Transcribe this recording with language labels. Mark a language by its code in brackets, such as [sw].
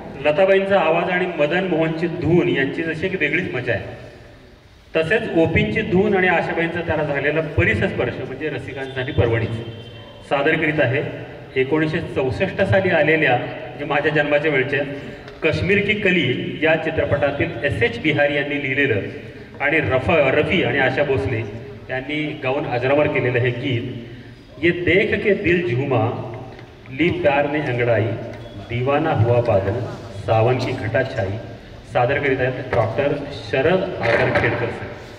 [mr] लताबाईंचा आवाज आणि मदन मोहनची धून यांची जशी एक वेगळीच मजा आहे, तसेच ओपींची धून आणि आशाबाईंचा त्याला झालेला परिसस्पर्श म्हणजे रसिकांसाठी पर्वणीच. सादर करीत आहे 1964 साली आलेल्या म्हणजे माझ्या जन्माच्या वेळच्या कश्मीर की कली या चित्रपटातील SH बिहारी यांनी लिहिलेलं आणि रफी आणि आशा भोसले यांनी गाऊन अजरामर केलेलं हे गीत. [hi] ये देख के दिल झुमा, ली प्यार ने अंगडाई, दीवाना हुआ बादल, सावन की घटा छाई. [mr] सादर करीत आहेत डॉक्टर शरद आगर खेडकर.